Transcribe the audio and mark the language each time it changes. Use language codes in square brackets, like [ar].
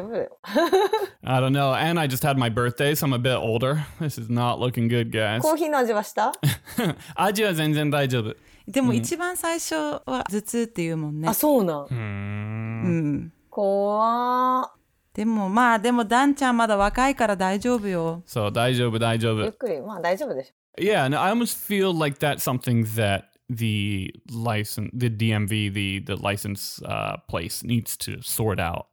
[en] I don't know, and I just had my birthday, so I'm a bit older. This is not looking good, guys. [ja] コーヒーの味はした? 味は全然大丈夫。でも一番最初は頭痛っていうもんね。あ、そうな。うん。怖。でもまあ、でもダンちゃんまだ若いから大丈夫よ。そう、大丈夫、大丈夫。ゆっくり、まあ大丈夫でしょ。Yeah, [en] and I almost feel like that's something that the DMV, the license place needs to sort out.